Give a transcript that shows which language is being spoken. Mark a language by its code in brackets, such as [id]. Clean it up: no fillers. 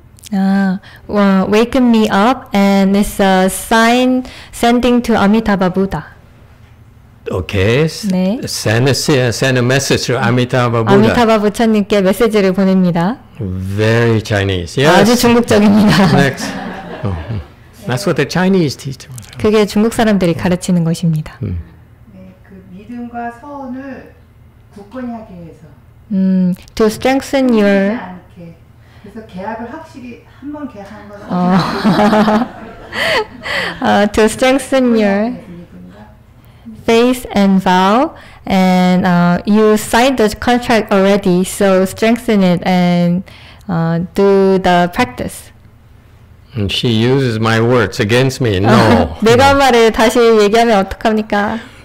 [en] 아, wake me up, and it's a sign sending to Amitabha Buddha. Okay. [ko] 네. [en] Send a message to Amitabha Buddha. [ko] 아미타바 부처님께 메시지를 보냅니다. [en] Very Chinese. Yes. [ko] 아주 중국적입니다. [en] Next. That's what the Chinese teach. [ko] 그게 중국 사람들이 가르치는 것입니다. 네, 그 믿음과 서원을 굳건히 하기 위해서. [en] To strengthen your [ko] 그래서 계약을 확실히 한번 계약한 거는 [en] to strengthen your faith and vow, and you signed the contract already, so strengthen it and do the practice. And she uses my words against me. No. [ko] 내가 말을 다시 얘기하면 어떡합니까?